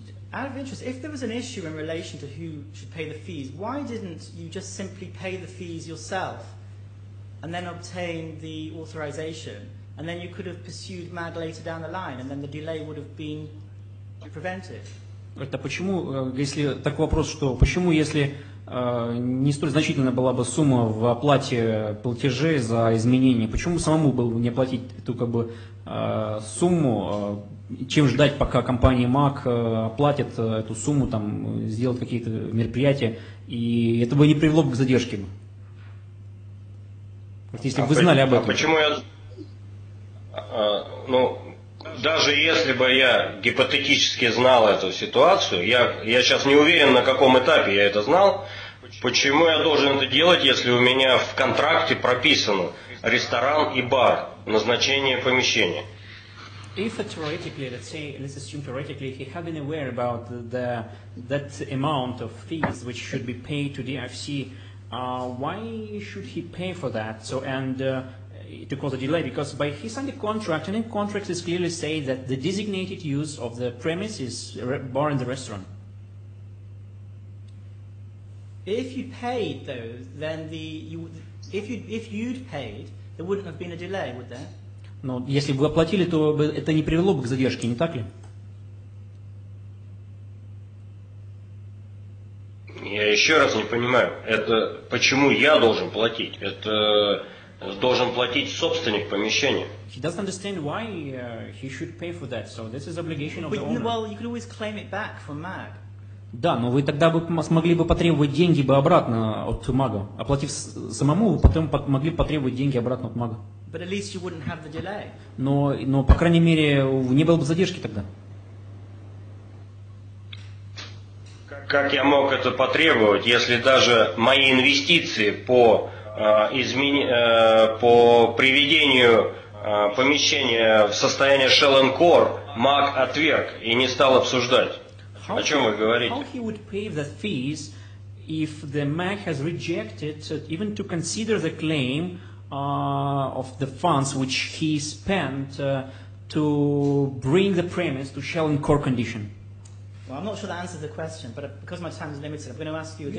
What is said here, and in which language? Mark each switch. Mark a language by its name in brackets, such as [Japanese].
[English] Out of interest, if there was an issue in relation to who should pay the fees, why didn't you just simply pay the fees yourself and then obtain the authorization? And then you could have pursued MAG later down the line, and then the delay would have been prevented. [Russian] Это почему, если такой вопрос, что почему, если не столь значительна была бы сумма в оплате платежей за изменения, почему самому было бы не оплатить эту как бы сумму, чем ждать, пока компания МАК оплатит эту сумму, там, сделает какие-то мероприятия, и это бы не привело бы к задержке. Если бы вы знали об этом. А почему я... ну, даже если бы я гипотетически знал эту ситуацию, я сейчас не уверен, на каком этапе я это знал, почему я должен это делать, если у меня в контракте прописано ресторан и бар, назначение помещения? [English] If theoretically, let's say, let's assume theoretically, he had been aware about the that amount of fees which should be paid to the DIFC, why should he pay for that? So and to cause a delay, because by he signed a contract, and in contracts it clearly say that the designated use of the premise is bar and the restaurant. If you paid though, then the you if you'd paid, there wouldn't have been a delay, would there? [Russian] Но если бы вы оплатили, то это не привело бы к задержке, не так ли? Я еще раз не понимаю, это почему я должен платить? Это должен платить собственник помещения. [English] He doesn't understand why he should pay for that, so this is obligation of the owner. Well, you could always claim it back from MAG. [Russian] Да, но вы тогда бы смогли бы потребовать деньги бы обратно от МАГа. Оплатив самому, вы потом могли потребовать деньги обратно от МАГа. [English] But at least you wouldn't have the delay. [Russian] Но по крайней мере не было бы задержки тогда. Как я мог это потребовать, если даже мои инвестиции по приведению помещения в состояние [English] shell and core [Russian] МАГ отверг и не стал обсуждать? [English] How [Russian] о чем вы говорите? [English] How he would pay the fees if the MAG has rejected even to consider the claim of the funds which he spent to bring the premise to shell and core condition? Well, I'm not sure that answers the question, but because my time is limited, I'm going to ask you a